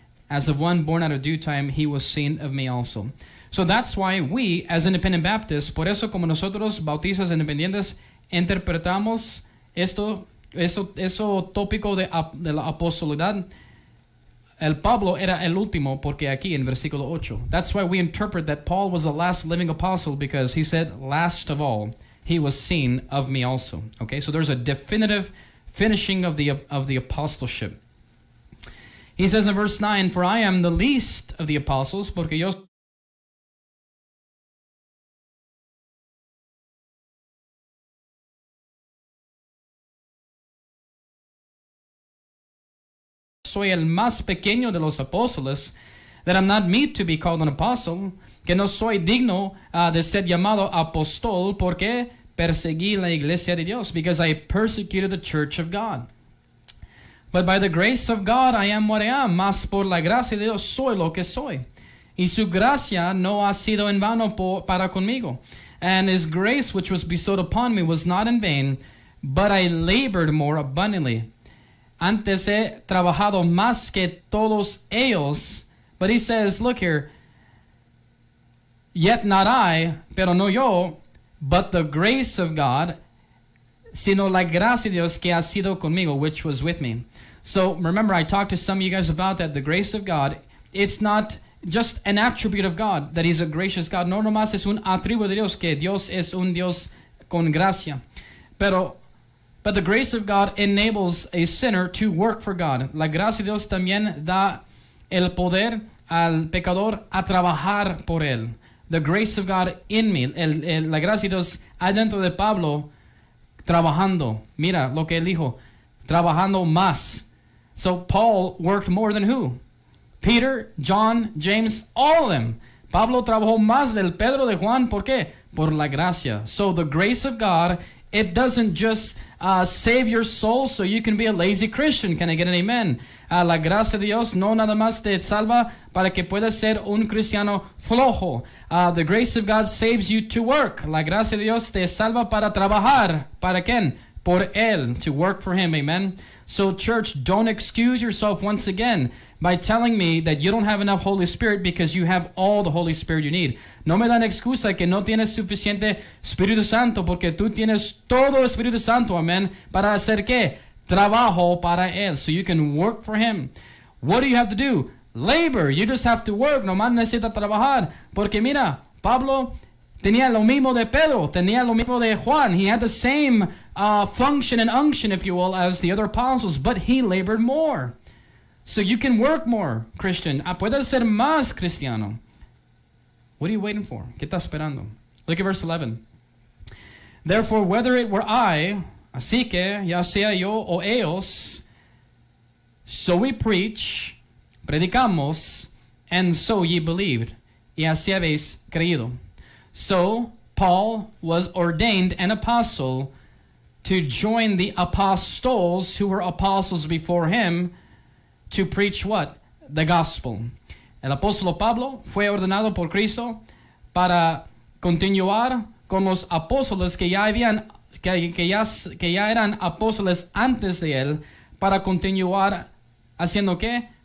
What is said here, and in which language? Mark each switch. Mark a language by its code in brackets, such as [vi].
[en] As of one born out of due time, he was seen of me also. So that's why we, as independent Baptists, [es] por eso como nosotros, bautistas independientes, interpretamos esto. Eso tópico de la apostolidad, El Pablo era el último porque aquí en versículo 8. [en] That's why we interpret that Paul was the last living apostle because he said, last of all, he was seen of me also. Okay, so there's a definitive finishing of the apostleship. He says in verse 9, for I am the least of the apostles, [es] porque yo... Soy el más pequeño de los apóstoles, [en] that I'm not meet to be called an apostle, [es] que no soy digno de ser llamado apóstol, porque perseguí la iglesia de Dios, [en] because I persecuted the church of God. But by the grace of God, I am what I am, [es] mas por la gracia de Dios, soy lo que soy. Y su gracia no ha sido en vano para conmigo. [en] And his grace, which was bestowed upon me, was not in vain, but I labored more abundantly. [es] Antes he trabajado más que todos ellos. [en] But he says, look here. Yet not I, [es] pero no yo, [en] but the grace of God, [es] sino la gracia de Dios que ha sido conmigo, [en] which was with me. So remember, I talked to some of you guys about that. The grace of God, it's not just an attribute of God, that he's a gracious God. [es] No nomás es un atributo de Dios, que Dios es un Dios con gracia. [en] But the grace of God enables a sinner to work for God. [es] La gracia de Dios también da el poder al pecador a trabajar por él. [en] The grace of God in me. [es] La gracia de Dios adentro de Pablo trabajando. Mira lo que él dijo. Trabajando más. [en] So Paul worked more than who? Peter, John, James, all of them. [es] Pablo trabajó más del Pedro, de Juan. ¿Por qué? Por la gracia. [en] So the grace of God, it doesn't just save your soul so you can be a lazy Christian. Can I get an amen? [es] La gracia de Dios no nada más te salva para que puedas ser un cristiano flojo. [en] The grace of God saves you to work. [es] La gracia de Dios te salva para trabajar. ¿Para quién? Por él. [en] To work for him. Amen. So church, don't excuse yourself once again by telling me that you don't have enough Holy Spirit because you have all the Holy Spirit you need. [es] No me dan excusa que no tienes suficiente Espíritu Santo porque tú tienes todo Espíritu Santo, amen, para hacer qué? Trabajo para él. [en] So you can work for him. What do you have to do? Labor. You just have to work. [es] No más necesita trabajar. Porque mira, Pablo tenía lo mismo de Pedro. Tenía lo mismo de Juan. [en] He had the same function and unction, if you will, as the other apostles, but he labored more. So you can work more, Christian. [es] Puedes ser más cristiano. [en] What are you waiting for? [es] ¿Qué estás esperando? [en] Look at verse 11. Therefore, whether it were I, [es] así que, ya sea yo o ellos, [en] so we preach, [es] predicamos, [en] and so ye believed, [es] y así habéis creído. [en] So Paul was ordained an apostle to join the apostles who were apostles before him to preach what? The gospel. [es] El apóstolo Pablo fue ordenado por Cristo para continuar con los apóstoles que ya eran apóstoles antes de él para continuar haciendo qué?